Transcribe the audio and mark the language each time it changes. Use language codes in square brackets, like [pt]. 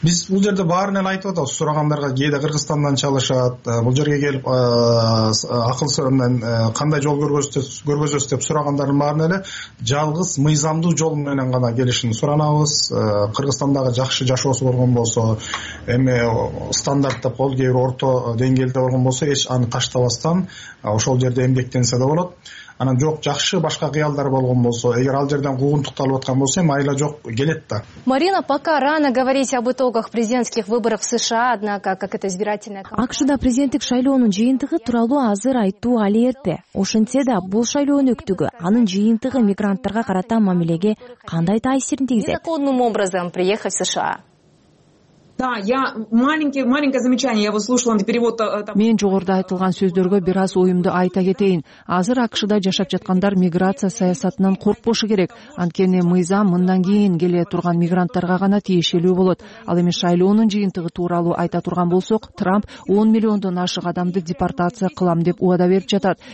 [ky] Биз бул жерде баарын эле айтып атабыз, сурагандарга кээде Кыргызстандан чалышат, бул жерге келип акыл сөрөмдөн кандай жол көргөзөсүз деп сурагандардын баарына эле жалгыз мыйзамдуу жол менен гана келишин суранабыз. Кыргызстандагы жакшы жашоосу болгон болсо, эми стандарт деп кол кээ бир орто деңгээлде болгон болсо эч аны таштабастан ошол жерде эмгектенсе да болот. Анан жок, жакшы башка кыялдар болгон болсо, эгер ал жерден куугунтукталып аткан болсо эми айла жок келет да. [ru] Марина, пока рано говорить об итогах президентских выборов в США, однако как это избирательная кампания. [ky] АКШда президенттик шайлоонун жыйынтыгы тууралуу азыр айтуу али эрте. Ошентсе да бул шайлоонун өктүгү анын жыйынтыгы мигранттарга карата мамилеге кандай таасирин тийгизет? [ru] Незаконным образом приехать в США. Да, я маленькое замечание, я выслушала перевод. [ky] Мен жогоруда айтылган сөздөргө бир аз оюмду айта кетейин. Азыр АКШда жашап жаткандар миграция саясатынан коркпошу керек. Анткени мыйзам мындан кийин келе турган мигранттарга гана тиешелүү болот. Ал эми шайлоонун жыйынтыгы тууралуу айта турган болсок, Трамп 10 миллиондон ашык адамды депортация кылам деп убада берип жатат.